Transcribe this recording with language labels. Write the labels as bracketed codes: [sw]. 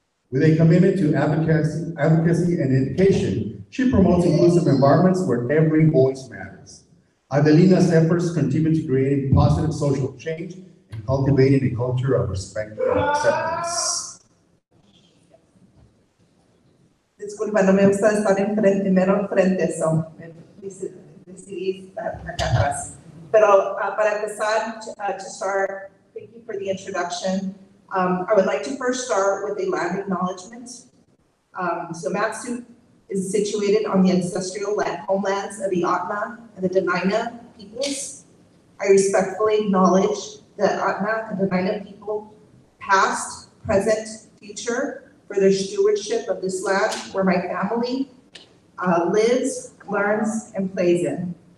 [en] With a commitment to advocacy and education, she promotes inclusive environments where every voice matters. Adelina's efforts contribute to creating positive social change and cultivating a culture of respect and acceptance. [es] Disculpa, no me gusta estar enfrente, me decidí estar acá atrás. Pero para empezar, [en] to start, thank you for the introduction. I would like to first start with a land acknowledgement. So Matsu is situated on the ancestral homelands of the Atna and the Dena'ina peoples. I respectfully acknowledge the Atna and Dena'ina people, past, present, future, for their stewardship of this land where my family lives, learns, and plays in.